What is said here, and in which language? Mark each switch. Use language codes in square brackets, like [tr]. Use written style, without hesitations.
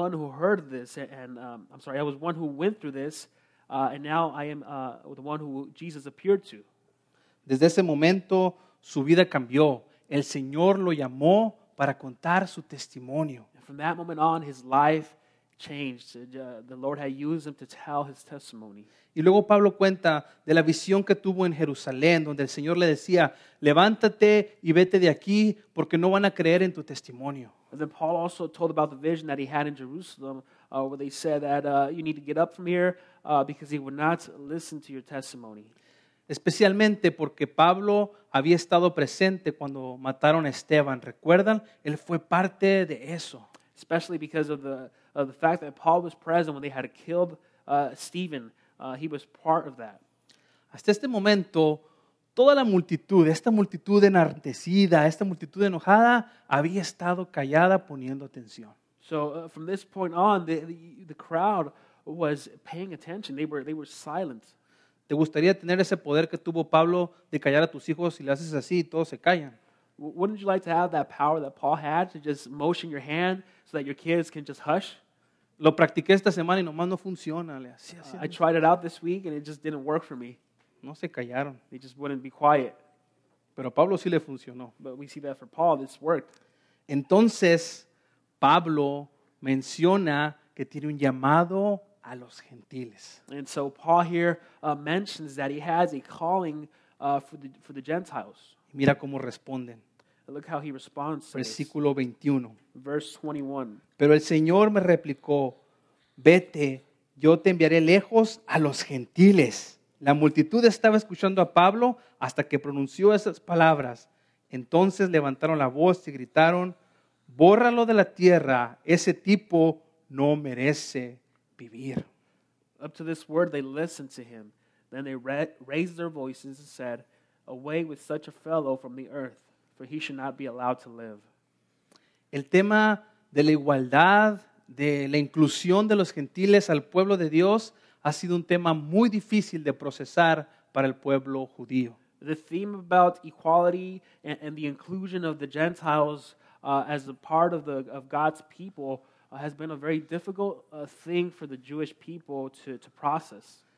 [en] I was one who went through this, and now I am the one who Jesus appeared to. [es] Desde ese momento, su vida cambió. El Señor lo llamó para contar su testimonio. [en] And from that moment on, his life changed. The Lord had used him to tell his testimony. [es] Y luego Pablo cuenta de la visión que tuvo en Jerusalén, donde el Señor le decía, levántate y vete de aquí, porque no van a creer en tu testimonio. [en] And then Paul also told about the vision that he had in Jerusalem, where they said that you need to get up from here because he would not listen to your testimony. [es] Especialmente porque Pablo había estado presente cuando mataron a Esteban. ¿Recuerdan? Él fue parte de eso. [en] Especially because of the fact that Paul was present when they had killed Stephen. He was part of that. [es] Hasta este momento, toda la multitud, esta multitud enardecida, esta multitud enojada, había estado callada poniendo atención. [en] So from this point on, the crowd was paying attention. They were silent. [es] ¿Te gustaría tener ese poder que tuvo Pablo de callar a tus hijos si le haces así y todos se callan? [en] Wouldn't you like to have that power that Paul had to just motion your hand so that your kids can just hush? [es] Lo practiqué esta semana y nomás no funciona. [en] I tried it out this week and it just didn't work for me. [es] No se callaron. [en] They just wouldn't be quiet. [es] Pero a Pablo sí le funcionó. [en] But we see that for Paul, this worked. [es] Entonces, Pablo menciona que tiene un llamado a los gentiles. [en] And so Paul here mentions that he has a calling for the Gentiles. [es] Mira cómo responden. [en] Look how he responds. [es] Versículo 21. [en] Verse 21. [es] Pero el Señor me replicó, vete, yo te enviaré lejos a los gentiles. La multitud estaba escuchando a Pablo hasta que pronunció esas palabras. Entonces levantaron la voz y gritaron, bórralo de la tierra, ese tipo no merece vivir. [en] Up to this word they listened to him. Then they raised their voices and said, away with such a fellow from the earth, for he should not be allowed to live. [es] El tema de la igualdad, de la inclusión de los gentiles al pueblo de Dios, ha sido un tema muy difícil de procesar para el pueblo judío. [en] The theme about equality and the inclusion of the Gentiles as a part of God's people has been a very difficult thing for the Jewish people to process.